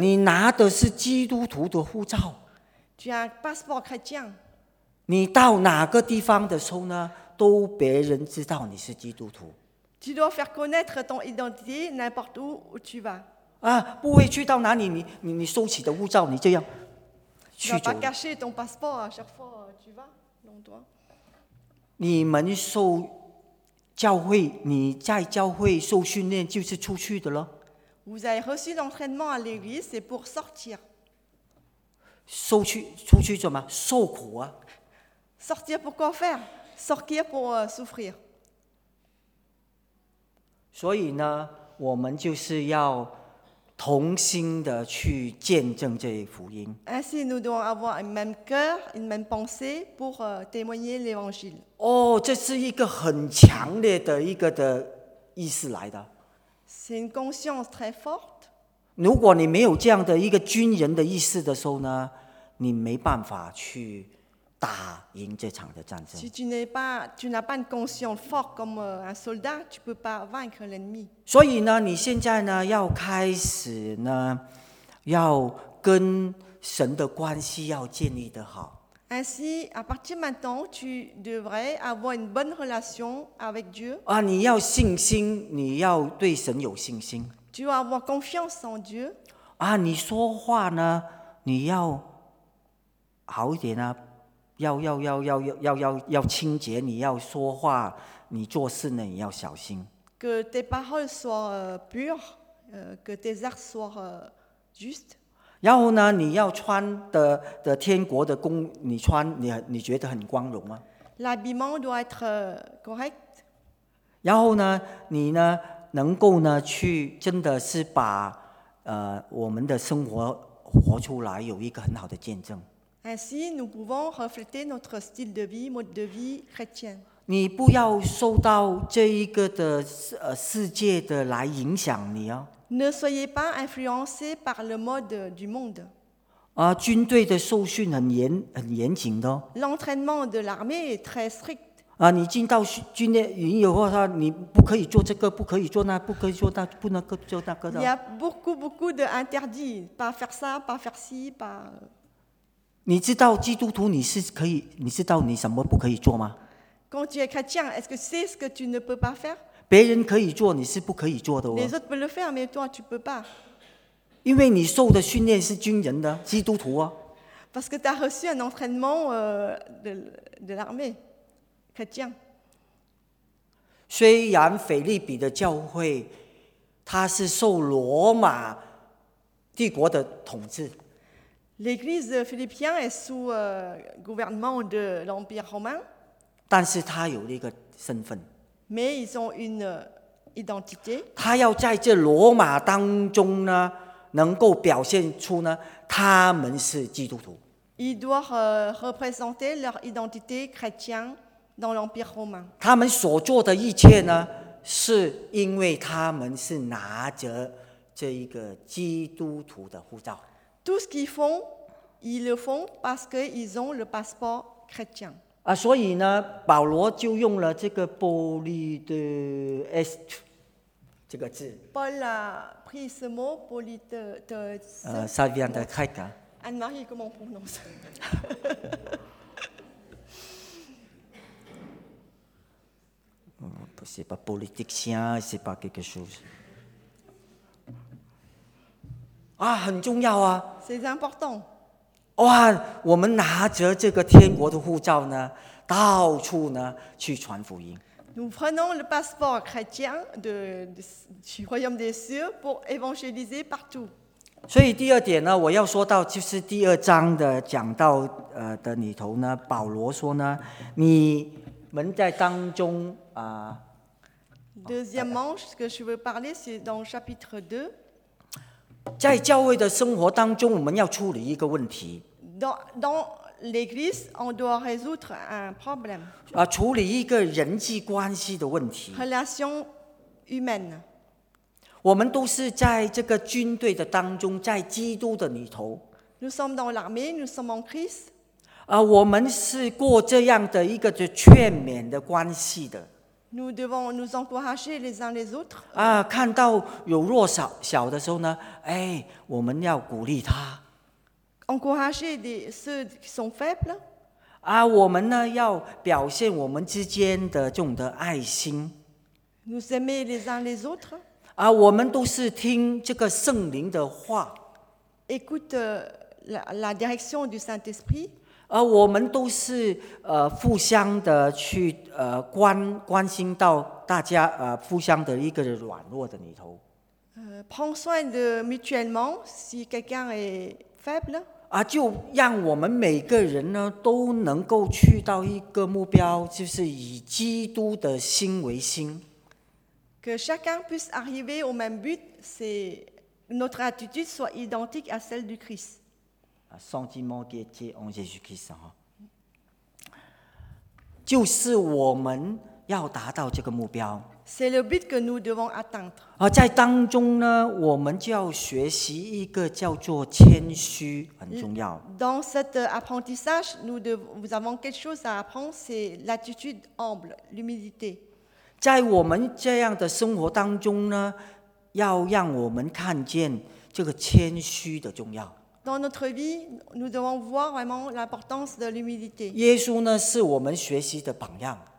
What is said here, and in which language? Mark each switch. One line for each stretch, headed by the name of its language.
Chinese: 你拿的是基督徒的护照。
French: Tu as un passeport chrétien.
Chinese: 你到哪个地方的时候呢？都别人知道你是基督徒。
French: Tu dois faire connaître ton identité n'importe où tu vas.
Chinese: 啊，不会去到哪里，你收起的护照，你这样去。
French: Tu dois pas cacher ton passeport à chaque fois tu vas. Non, toi.
Chinese: 你们受教会，你在教会受训练就是出去的了。
French: Vous avez reçu l'entraînement à l'église, c'est pour sortir.
Chinese: 受去出去做什么？受苦啊。
French: Sortir pour quoi faire? Sortir pour souffrir.
Chinese: 所以呢，我们就是要同心的去见证这福音。
French: Ainsi, nous devons avoir un même cœur, une même pensée pour témoigner l'évangile.
Chinese: 哦，这是一个很强烈的一个的意思来的。
French: C'est une conscience très forte.
Chinese: 如果你没有这样的一个军人的意思的时候呢，你没办法去。打赢这场的战争。
French: Si tu n'es pas, tu n'as pas une conscience forte comme un soldat, tu peux pas vaincre l'ennemi.
Chinese: 所以呢，你现在呢要开始呢，要跟神的关系要建立得好。
French: Ainsi, à partir maintenant, tu devrais avoir une bonne relation avec Dieu.
Chinese: 啊，你要信心，你要对神有信心。
French: Tu dois avoir confiance en Dieu.
Chinese: 啊，你说话呢，你要好一点啊。要清洁，你要说话，你做事呢，你要小心。
French: Que tes paroles soient pures, que tes actes soient justes.
Chinese: 然后呢，你要穿的天国的公，你穿你觉得很光荣吗
French: ？L'habillement doit être correct.
Chinese: 然后呢，你呢能够呢去真的是把我们的生活活出来，有一个很好的见证。
French: Ainsi, nous pouvons refléter notre style de vie, mode de vie chrétien.
Chinese: 你不要受到这一个的世界的来影响你哦。
French: Ne soyez pas influencés par le mode du monde.
Chinese: 啊，军队的受训很严谨的。
French: L'entraînement de l'armée est très strict.
Chinese: 啊，你进到训练营以后，他你不可以做这个，不可以做那，不可以做那，不能够做那个的。
French: Il y a beaucoup beaucoup de interdits, pas faire ça, pas faire ci, pas.
Chinese: 你知道基督徒你是可以，你知道你什么不可以做吗？
French: Quand tu es chrétien, est-ce que c'est ce que tu ne peux pas faire?
Chinese: 别人可以做，你是不可以做的哦。
French: Les autres peuvent le faire, mais toi tu peux pas.
Chinese: 因为你受的训练是军人的基督徒啊。
French: Parce que tu as reçu un entraînement de l'armée chrétien.
Chinese: 虽然腓立比的教会它是受罗马帝国的统治。
French: L'église philippienne est sous gouvernement de l'Empire romain.
Chinese: 但是它有一个身份。
French: Mais ils ont une identité.
Chinese: 它要在这罗马当中呢能够表现出呢，他们是基督徒。
French: Ils doivent représenter leur identité chrétienne dans l'Empire romain.
Chinese: 他们所做的一切呢，是因为他们是拿着这一个基督徒的护照。
French: Tout ce qu'ils font, ils le font parce qu'ils ont le passeport chrétien.
Chinese: 啊，所以呢，保罗就用了这个 poli de est。这个字
French: Paul a pris ce mot pour lui de, de ça vient de Crète hein? Anne-Marie comment on prononce c'est pas politicien c'est pas quelque chose ah,
Chinese: 很重要啊
French: c'est important
Chinese: 哇我们拿着这个天国的护照呢到处呢去传福音
French: Nous prenons le passeport chrétien de, du royaume des cieux pour évangéliser partout.
Chinese: 所以第二点呢，我要说到就是第二章的讲到的里头呢，保罗说呢，你们在当中啊。
French: Deuxièmement, ce que je veux parler, c'est dans chapitre 2.
Chinese: 在教会的生活当中，我们要处理一个问题。
French: Dans L'église, on doit résoudre un problème.
Chinese: 啊，处理一个人际关系的问题。
French: Relation humaine.
Chinese: 我们都是在这个军队的当中，在基督的里头。
French: Nous sommes dans l'armée, nous sommes en Christ.
Chinese: 啊，我们是过这样的一个就劝勉的关系的。
French: Nous devons nous encourager les uns les autres.
Chinese: 啊，看到有弱小小的时候呢，哎，我们要鼓励他。
French: Encourager ceux qui sont faibles.
Chinese: 啊，我们呢要表现我们之间的这种的爱心。
French: Nous aimer les uns les autres.
Chinese: 啊，我们都是听这个圣灵的话。
French: Écoute la direction du Saint-Esprit.
Chinese: 啊，我们都是互相的去关心到大家互相的一个软弱的里头。
French: Prends soin de mutuellement si quelqu'un est faible.
Chinese: 啊，就让我们每个人呢都能够去到一个目标，就是以基督的心为心。
French: Que chacun puisse arriver au même but, c'est notre attitude soit identique à celle du Christ. Sentiment qui était en Jésus-Christ,
Chinese: 哈，就是我们要达到这个目标。
French: C'est le but que nous devons atteindre.
Chinese: 啊，在当中呢，我们就要学习一个叫做谦虚，很重要。
French: Dans cet apprentissage, nous avons quelque chose à apprendre, c'est l'attitude humble, l'humilité.
Chinese: 在我们这样的生活当中呢，要让我们看见这个谦虚的重要。
French: Dans notre vie, nous devons voir vraiment l'importance de l'humilité.
Chinese: 耶稣呢，是我们学习的榜样。